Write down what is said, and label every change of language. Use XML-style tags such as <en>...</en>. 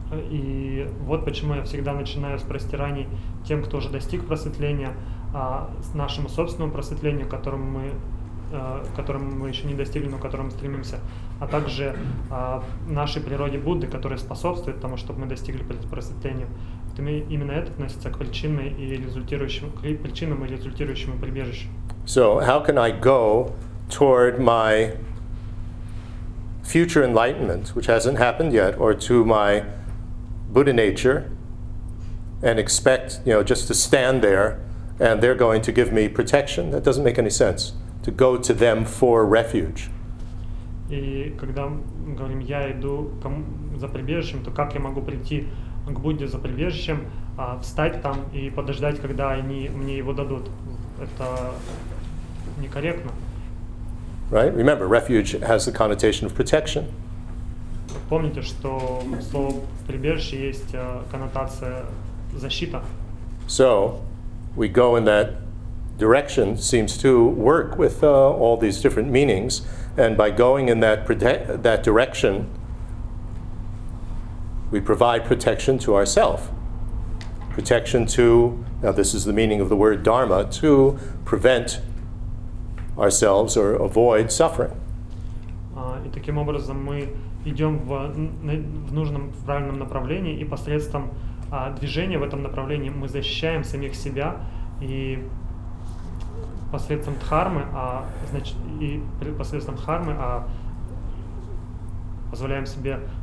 <ru>И вот почему я всегда начинаю с простираний тем, кто уже достиг просветления, с нашему собственному просветлению, которому мы еще не достигли, но которому стремимся, а также нашей природе Будды, которая способствует тому, чтобы мы достигли просветления. Именно это относится к причинам и результирующему прибежищу.</ru> <en>So, how can I go toward my future enlightenment, which hasn't happened yet, or to my Buddha nature, and expect, you know, just to stand there, and they're going to give me protection? That doesn't make any sense. To go to them for refuge.</en> <ru>И когда говорим, я иду за прибежищем, то как я могу прийти к Будде за прибежищем, встать там и подождать, когда они мне его дадут? Это некорректно.</ru> <en>Right? Remember, refuge has the connotation of protection.</en> <ru>Помните, что слово прибежище есть коннотация защита.</ru> <en>So, we go in that direction, seems to work with all these different meanings, and by going in that direction, we provide protection to ourselves. Protection to, now this is the meaning of the word dharma, to prevent ourselves or avoid suffering.</en> <ru>И таким образом мы идем в нужном, в правильном направлении, и посредством движения в этом направлении мы защищаем самих себя и посредством дхармы, позволяем себе</ru>